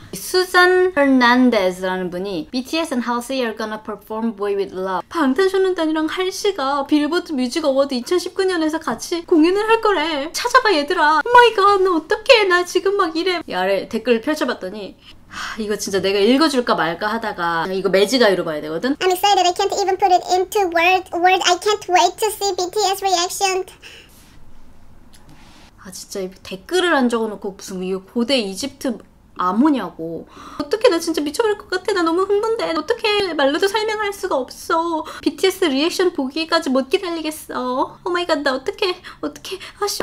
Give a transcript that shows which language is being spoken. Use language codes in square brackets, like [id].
[en] Susan Hernandez라는 분이 BTS and Halsey are gonna perform Boy with Love. [ko] 방탄소년단이랑 할시가 빌보드 뮤직 어워드 2019년에서 같이 공연을 할 거래. 찾아봐 얘들아. [en] Oh my god, [ko] 나 어떡해. 나 지금 막 이래. 이 아래 댓글을 펼쳐봤더니 하, 이거 진짜 내가 읽어줄까 말까 하다가 이거 매지가이로 봐야 되거든. [en] I'm excited. I can't even put it into words. I can't wait to see BTS reaction. [ko] 아 진짜 댓글을 안 적어놓고 무슨 이거 고대 이집트 암호냐고. 어떡해, 나 진짜 미쳐버릴 것 같아. 나 너무 흥분돼. 어떡해, 말로도 설명할 수가 없어. BTS 리액션 보기까지 못 기다리겠어. 오마이갓, 나 어떡해, 어떡해. 아씨.